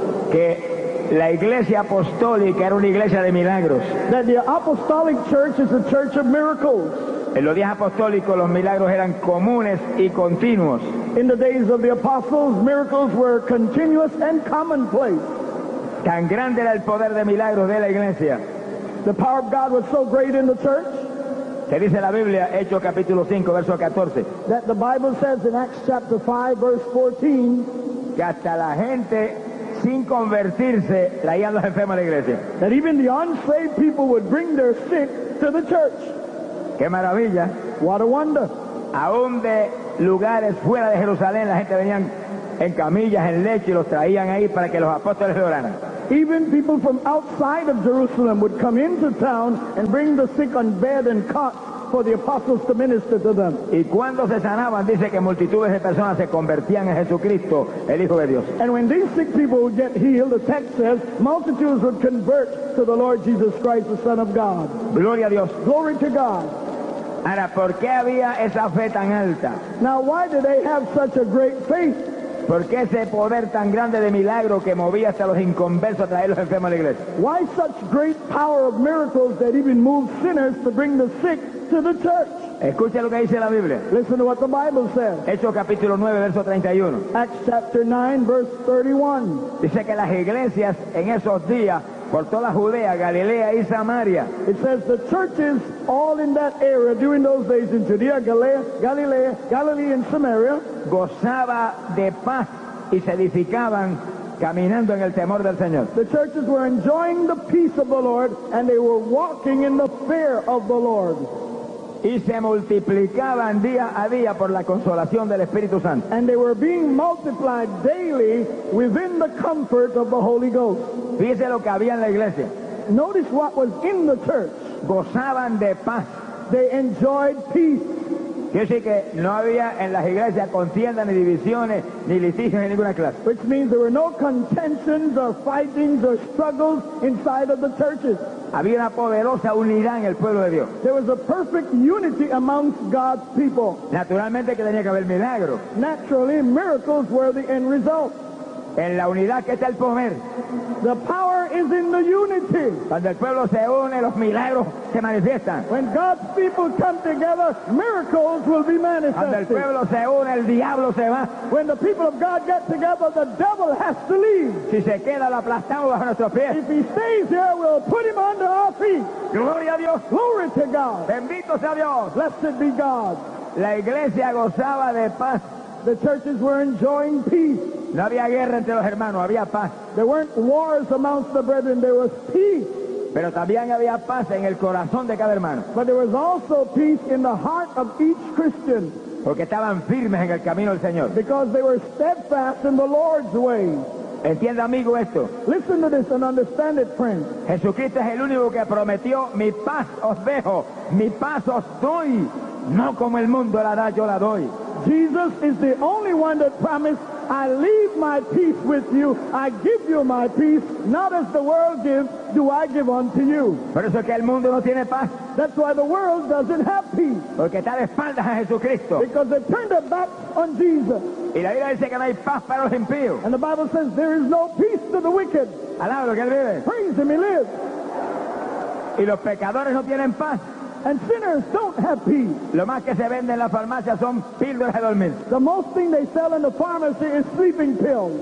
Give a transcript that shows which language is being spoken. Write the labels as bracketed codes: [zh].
[es] que la iglesia apostólica era una iglesia de milagros. [en] That the apostolic church is a church of miracles. [es] En los días apostólicos los milagros eran comunes y continuos. [en] In the days of the apostles, miracles were continuous and commonplace. [es] Tan grande era el poder de milagros de la iglesia. [en] The power of God was so great in the church. [es] Se dice la Biblia, Hechos capítulo 5, verso 14. [en] That the Bible says in Acts chapter 5, verse 14. [es] Que hasta la gente sin convertirse traían los enfermos a la iglesia. [en] That even the unsaved people would bring their sick to the church. [es] Qué maravilla. [en] What a wonder. [es] Aún de lugares fuera de Jerusalén, la gente venían en camillas, en leche, y los traían ahí para que los apóstoles oraran. [en] Even people from outside of Jerusalem would come into town and bring the sick on bed and cots for the apostles to minister to them. [es] Y cuando se sanaban, dice que multitudes de personas se convertían en Jesucristo, el Hijo de Dios. [en] And when these sick people would get healed, the text says, multitudes would convert to the Lord Jesus Christ, the Son of God. [es] Gloria a Dios. [en] Glory to God. [es] Ahora, ¿por qué había esa fe tan alta? [en] Now, why did they have such a great faith? [es] ¿Por qué ese poder tan grande de milagro que movía hasta los inconversos a traer los enfermos a la iglesia? [en] Why such great power of miracles that even moved sinners to bring the sick to the church? [es] Escucha lo que dice la Biblia. [en] Listen to what the Bible says. [es] Hechos capítulo 9, verso 31. [en] Acts chapter 9, verse 31. [es] Dice que las iglesias en esos días por toda la Judea, Galilea y Samaria. [en] It says the churches all in that area during those days in Judea, Galilea, Galilee and Samaria [es] gozaba de paz y se edificaban caminando en el temor del Señor. [en] The churches were enjoying the peace of the Lord and they were walking in the fear of the Lord. [es] Y se multiplicaban día a día por la consolación del Espíritu Santo. [en] And they were being multiplied daily within the comfort of the Holy Ghost. [es] Fíjese lo que había en la iglesia. [en] Notice what was in the church. [es] Gozaban de paz. [en] They enjoyed peace. [es] Quiere decir que no había en las iglesias contiendas ni divisiones ni litigios de ninguna clase. [en] Which means there were no contentions or fightings or struggles inside of the churches. [es] Había una poderosa unidad en el pueblo de Dios. [en] There was a perfect unity amongst God's people. [es] Naturalmente que tenía que haber milagro. [en] Naturally, miracles were the end result. [es] En la unidad que está el poder. [en] The power is in the unity. [es] Cuando el pueblo se une, los milagros se manifiestan. [en] When God's people come together, miracles will be manifested. [es] Cuando el pueblo se une, el diablo se va. [en] When the people of God get together, the devil has to leave. [es] Si se queda, lo aplastamos bajo nuestros pies. [en] If he stays here, we'll put him under our feet. [es] Gloria a Dios. [en] Glory to God. [es] Bendito sea Dios. [en] Blessed be God. [es] La iglesia gozaba de paz. [en] The churches were enjoying peace. [es] No había guerra entre los hermanos, había paz. [en] There weren't wars amongst the brethren, there was peace. [es] Pero también había paz en el corazón de cada hermano. [en] But there was also peace in the heart of each Christian. [es] Porque estaban firmes en el camino del Señor. [en] Because they were steadfast in the Lord's way. [es] Entienda, amigo, esto. [en] Listen to this and understand it, friend. [es] Jesucristo es el único que prometió, mi paz os dejo, mi paz os doy. No como el mundo la da, yo la doy. [en] Jesus is the only one that promised, I leave my peace with you, I give you my peace, not as the world gives, do I give unto you. [es] Por eso es que el mundo no tiene paz. [en] That's why the world doesn't have peace. [es] Porque está de espaldas a Jesucristo. [en] Because they turned their back on Jesus. [es] Y la Biblia dice que no hay paz para los impíos. [en] And the Bible says there is no peace to the wicked. [es] Alábalo que él vive. [en] Praise him, he lives. [es] Y los pecadores no tienen paz. [en] And sinners don't have peace. [es] Lo más que se vende en la farmacia son píldoras de dormir. [en] The most thing they sell in the pharmacy is sleeping pills.